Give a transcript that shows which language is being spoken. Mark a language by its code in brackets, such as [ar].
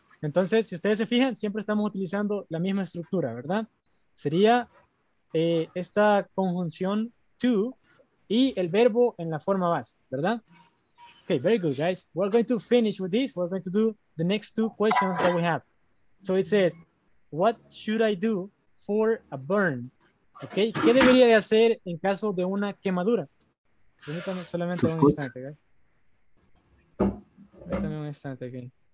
[es] Entonces, si ustedes se fijan, siempre estamos utilizando la misma estructura, ¿verdad? Sería esta conjunción to y el verbo en la forma base, ¿verdad? [en] Okay, very good, guys. We're going to finish with this. We're going to do the next two questions that we have. So it says, what should I do for a burn? [es] Okay, ¿qué debería de hacer en caso de una quemadura? Permítame solamente un instante, guys. Permítame un instante aquí.